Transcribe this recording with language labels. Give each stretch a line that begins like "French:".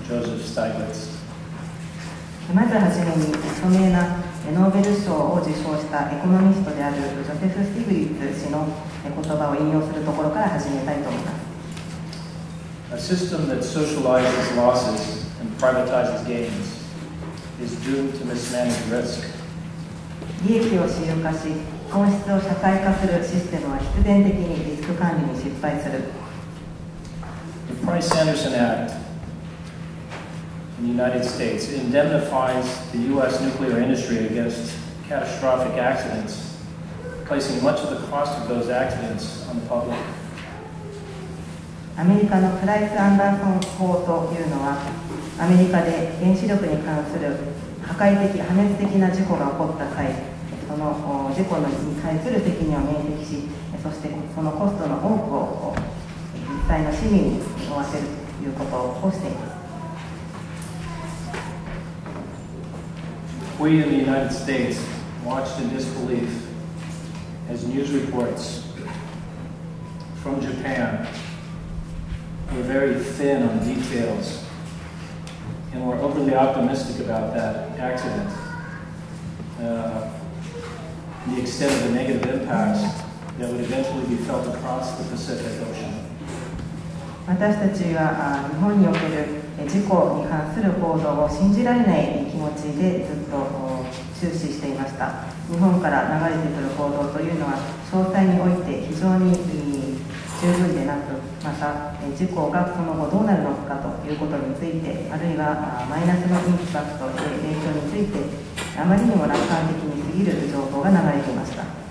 Japanese: まずはじめに、著名なノーベル賞を受賞したエコノミストであるジョセフ・スティグリッツ氏の言葉を引用するところから始めたいと思います。
English: A system that socializes losses and privatizes gains is doomed to mismanage risk.
Japanese: 利益を私有化し、損失を社会化するシステムは必然的にリスク管理に失敗する。
English: The Price-Anderson Act. The United States indemnifies the U.S. nuclear industry against catastrophic accidents, placing much of the cost of those accidents on the public.
Japanese: アメリカのプライス・アンダーソン法というのは、アメリカで原子力に関する破壊的、破滅的な事故が起こった際、その事故に対する責任を免責し、そしてそのコストの多くを実際の市民に負わせるということをしています。
English: We in the United States watched in disbelief as news reports from Japan were very thin on details and were overly optimistic about that accident, the extent of the negative impacts that would eventually be felt across the Pacific Ocean.
Japanese: 私たちは日本における事故に関する報道を信じられない気持ちでずっと注視していました。日本から流れてくる報道というのは詳細において非常に十分でなく、また事故がその後どうなるのかということについて、あるいはマイナスのインパクトで影響についてあまりにも楽観的に過ぎる情報が流れていました。